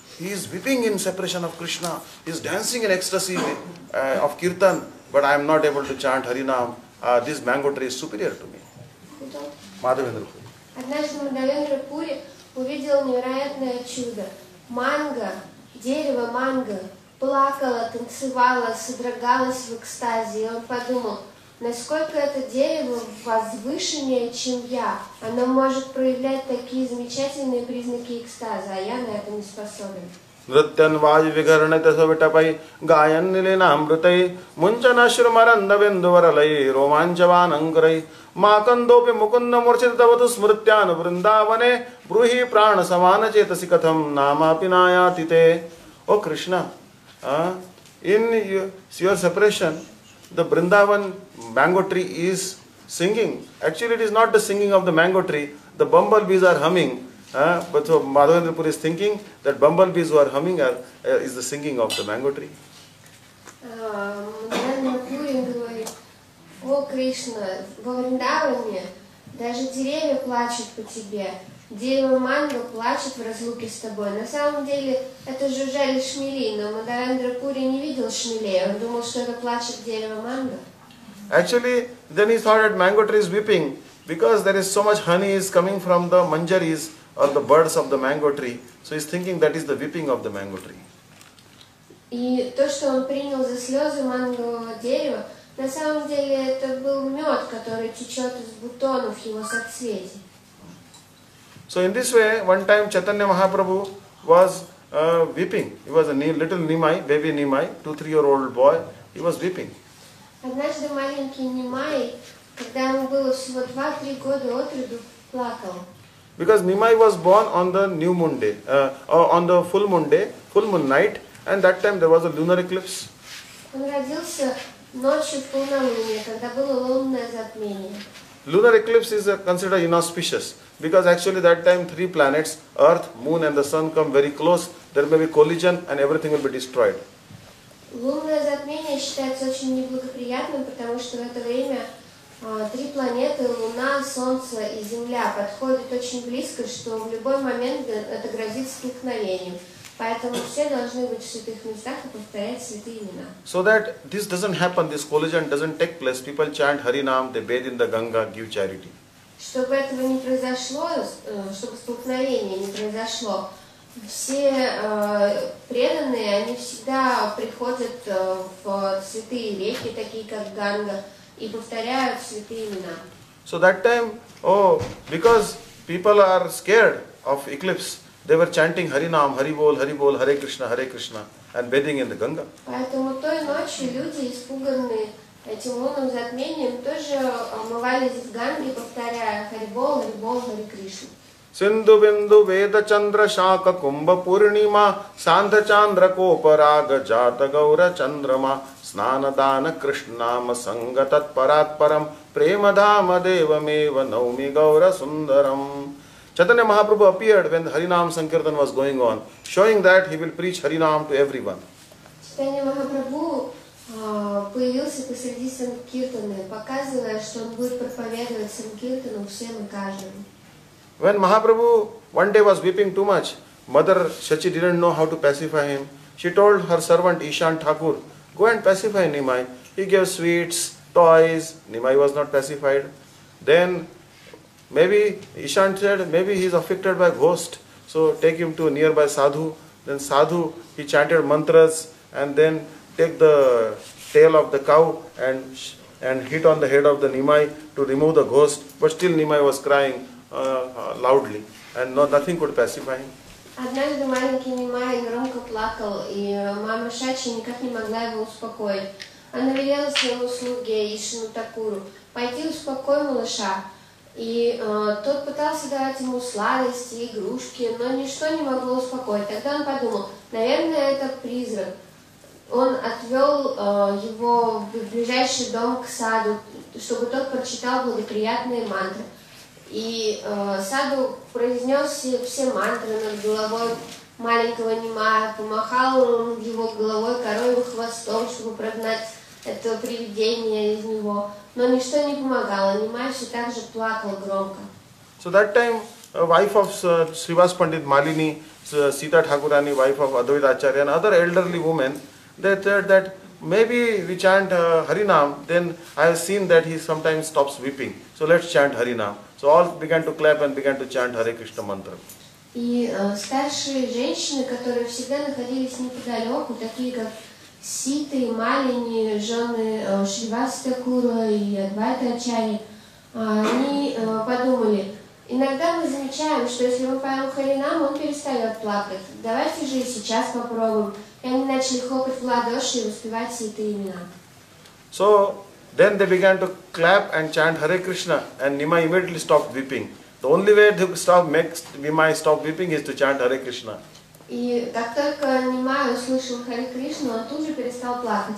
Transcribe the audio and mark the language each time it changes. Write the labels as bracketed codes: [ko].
[en] He is weeping in separation of Krishna. He is dancing in ecstasy of Kirtan, but I am not able to chant Harinam. This mango tree is superior to me." Madhavendra Puri. [ru] Однажды Мадхавендра Пури увидел невероятное чудо. Манго, дерево манго, плакало, танцевало, содрогалось в экстазе. И он подумал, насколько это дерево возвышеннее, чем я. Оно может проявлять такие замечательные признаки экстаза, а я на это не способен. [sa] Nrityan Vajvigarana Tasavitapai Gayan Nilinamrutai Munchanashrumaranda Vinduvaralai Romanchavanangrai Makandopi Mukundamurchitavatu Smrityan Vrindavane Bruhi Prana Samana Chetasikatham Nama Pinayatite. [en] O Krishna, in your separation, the Vrindavan mango tree is singing. Actually, it is not the singing of the mango tree, the bumblebees are humming. But so Madhavendra Puri is thinking that bumblebees who are humming is the singing of the mango tree. [ru] Madhavendra Puri говорит, "О Кришна, во Вриндаване даже деревья плачут по тебе, дерево манго плачет в разлуке с тобой. На самом деле это же уже лишь шмели, но Мадхавендра Пури не видел шмелей, он думал, что это плачет дерево манго." [en] Actually, then he thought that mango tree is weeping because there is so much honey is coming from the manjaris, or the buds of the mango tree. So he's thinking that is the weeping of the mango tree. [ru] И то, что он принял за слезы мангового дерева, на самом деле это был мед, который течет из бутонов его соцветий. [en] So in this way, one time Chaitanya Mahaprabhu was weeping. He was a little Nimai, baby Nimai, 2-3-year-old boy. He was weeping. [ru] Однажды маленький Нимай, когда ему было всего 2-3 года от роду, плакал. [en] Because Nimai was born on the new moon day, on the full moon day, full moon night, and that time there was a lunar eclipse. [ru] Он родился ночью полнолуния, когда было лунное затмение. [en] Lunar eclipse is considered inauspicious because actually that time three planets, Earth, Moon, and the Sun come very close. There may be collision, and everything will be destroyed. [ru] Лунное затмение считается очень неблагоприятным, потому что в это время три планеты, Луна, Солнце и Земля, подходят очень близко, что в любой момент это грозит столкновением. Поэтому все должны быть в святых местах и повторять святые имена. [en] So that this doesn't happen, this collision doesn't take place, people chant Harinam, they bathe in the Ganga, give charity. [ru] Чтобы этого не произошло, чтобы столкновение не произошло, все преданные, они всегда приходят в святые реки, такие как Ганга, и повторяют святые имена. [en] So that time, because people are scared of eclipse, they were chanting Harinam, Haribol, Haribol, Hare Krishna, and bathing in the Ganga. [ru] Поэтому той ночью люди, испуганные этим лунным затмением, тоже омывались в Ганге, повторяя Харибол, Харибол, Харе Кришна. [sa] Синду Винду Веда Чандра Шака Кумба Пурнима Санда Чандра Копарага Джата Гаура Чандрама Снана Дана Кришнама Санга Татпарат Парам Према Дама Дева Мева Науми Гаура Сундарам. [en] Chaitanya Mahaprabhu appeared when the Harinam Sankirtan was going on, showing that he will preach Harinam to everyone. [ru] Chaitanya Mahaprabhu появился посреди Санкиртаны, показывая, что он будет проповедовать Санкиртану всем и каждому. [en] When Mahaprabhu one day was weeping too much, Mother Shachi didn't know how to pacify him. She told her servant Ishan Thakur, go and pacify Nimai. He gave sweets, toys. Nimai was not pacified. Then maybe Ishan said, maybe he is afflicted by ghost. So take him to a nearby sadhu. Then sadhu, he chanted mantras and then take the tail of the cow and hit on the head of the Nimai to remove the ghost. But still Nimai was crying loudly, and nothing could pacify him. [ru] Однажды маленький Нимай громко плакал, и мама Шачи никак не могла его успокоить. Она велела своему слуге Ишину Такуру пойти успокой малыша, и тот пытался давать ему сладости, игрушки, но ничто не могло успокоить. Тогда он подумал, наверное, это призрак. Он отвел его в ближайший дом к саду, чтобы тот прочитал благоприятные мантры. И саду произнес все мантры над головой маленького Нимая, помахал его головой коровьим хвостом, чтобы прогнать это привидение из него. Но ничто не помогало, Нимай все так же плакал громко. [en] So that time, wife of Srivas Pandit Malini, Sita Thakurani, wife of Advaita Acharya and other elderly women, they said that maybe we chant Harinam, then I have seen that he sometimes stops weeping. So let's chant Harinam. So all began to clap and began to chant Hare Krishna mantra. [ru] И старшие женщины, которые всегда находились неподалеку, такие как Сита и Малини, жены Шривасты Кура и Адвайты Ачари, они подумали, иногда мы замечаем, что если мы поем Харинам, он перестает плакать. Давайте же сейчас попробуем. И они начали хлопать в ладоши и успевать Сита и имена. [en] So, then they began to clap and chant Hare Krishna, and Nimai immediately stopped weeping. The only way to stop makes Nimai stop weeping is to chant Hare Krishna. [ru] И как только Нимай услышал Харе Кришну, он тут же перестал плакать.